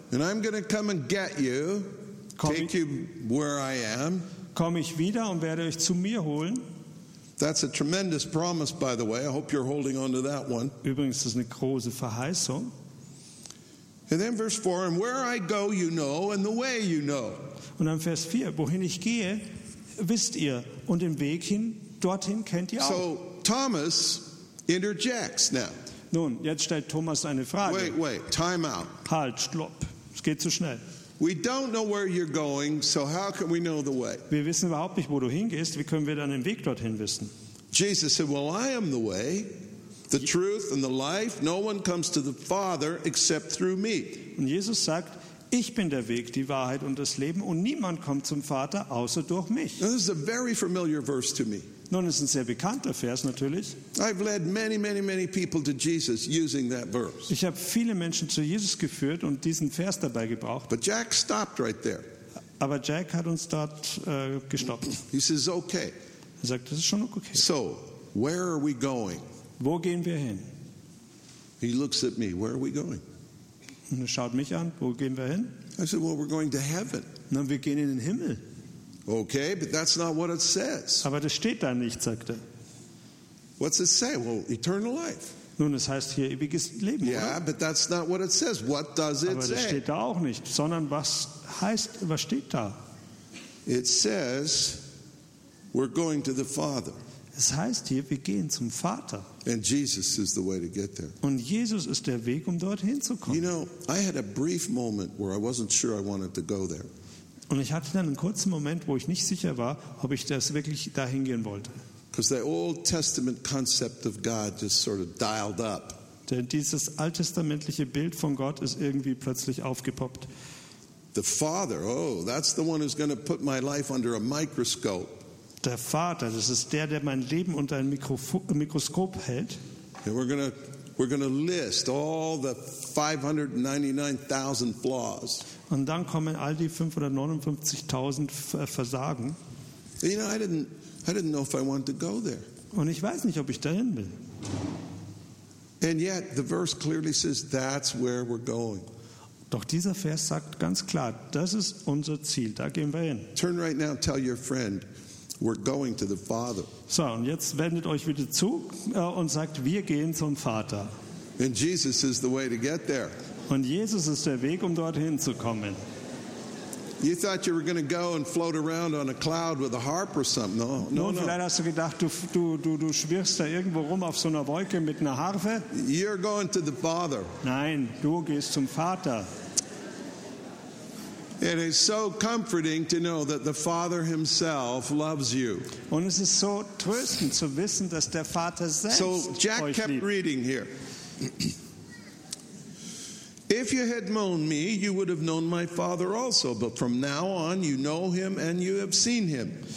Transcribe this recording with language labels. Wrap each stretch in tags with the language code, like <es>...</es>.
<en>and I'm going to come and get you, take you where I am,</en> <de>komme ich wieder und werde euch zu mir holen.</de> <en>That's a tremendous promise, by the way. I hope you're holding on to that one.</en> <de>Übrigens, das ist eine große Verheißung.</de> <en>And then verse 4, and where I go, you know, and the way you know.</en> <de>Und dann Vers 4, wohin ich gehe, wisst ihr, und den Weg hin, dorthin kennt ihr auch.</de> <en>So Thomas interjects now.</en> <de>Nun, jetzt stellt Thomas eine Frage.</de> <en>Wait, time out.</en> <de>Halt, stopp. Es geht zu schnell.</de> <en>We don't know where you're going, so how can we know the way?</en> <de>Wir wissen überhaupt nicht, wo du hingehst. Wie können wir dann den Weg dorthin wissen?</de> <en>Jesus said, well, I am the way, the truth and the life. No one comes to the Father except through me.</en> <de>Und Jesus sagt, ich bin der Weg, die Wahrheit und das Leben, und niemand kommt zum Vater außer durch mich.</de> <en>Now, this is a very familiar verse to me.</en> <de>Nun, es ist ein sehr bekannter Vers natürlich.</de> <en>I've led many, many, many people to Jesus using that verse.</en> <de>Ich habe viele Menschen zu Jesus geführt und diesen Vers dabei gebraucht.</de> <en>But Jack stopped right there.</en> <de>Aber Jack hat uns dort gestoppt.</de> <en>He says, okay.</en> <de>Er sagt, das ist schon okay.</de> <en>So, where are we going?</en> <de>Wo gehen wir hin?</de> <en>He looks at me, where are we going?</en> <de>Und er schaut mich an, wo gehen wir hin?</de> <en>I said, well, we're going to heaven.</en> <de>Nun, wir gehen in den Himmel.</de> <en>Okay, but that's not what it says.</en> <de>Aber das steht da nicht, sagt er.</de> <en>What's it say? Well, eternal life.</en> <de>Nun, es heißt hier ewiges Leben,</de> <en>yeah,</en> <de>oder?</de> <en>But that's not what it says. What does it say?</en> <de>Aber das steht da auch nicht, sondern was steht da?</de> <en>It says we're going to the Father.</en> <de>Es heißt hier, wir gehen zum Vater.</de> <en>And Jesus is the way to get there.</en> <de>Und Jesus ist der Weg, um dorthin zu kommen.</de> <en>You know, I had a brief moment where I wasn't sure I wanted to go there.</en> <de>Und ich hatte dann einen kurzen Moment, wo ich nicht sicher war, ob ich das wirklich dahin gehen wollte.</de> <en>Because the Old Testament concept of God just sort of dialed up.</en> <de>Denn dieses alttestamentliche Bild von Gott ist irgendwie plötzlich aufgepoppt.</de> <en>The Father, oh, that's the one who's going to put my life under a microscope.</en> <de>Der Vater, das ist der mein Leben unter ein Mikroskop hält.</de> <en>And we're going to list all the 599,000 flaws.</en> <de>Und dann kommen all die 559,000 Versagen.</de> <en>You know, I didn't I didn't know if I wanted to go there.</en> <de>Und ich weiß nicht, ob ich dahin will.</de> <en>And yet, the verse clearly says that's where we're going.</en> <de>Doch dieser Vers sagt ganz klar, das ist unser Ziel, da gehen wir hin.</de> <en>Turn right now and tell your friend, we're going to the Father.</en> <de>So, und jetzt wendet euch wieder zu und sagt, wir gehen zum Vater.</de> <en>And Jesus is the way to get there.</en> <de>Und Jesus ist der Weg, um dorthin zu kommen.</de> <en>You thought you were going to go and float around on a cloud with a harp or something. No.</en> <de>Vielleicht hast du gedacht, du schwirrst da irgendwo rum auf so einer Wolke mit einer Harfe.</de> <en>You're going to the Father.</en> <de>Nein, du gehst zum Vater.</de> <en>It is so comforting to know that the Father himself loves you.</en> <de>Und es ist so tröstend zu wissen, dass der Vater selbst euch liebt.</de> <en>So Jack kept reading here. If you had known me, you would have known my Father also. But from now on, you know him and you have seen him.</en>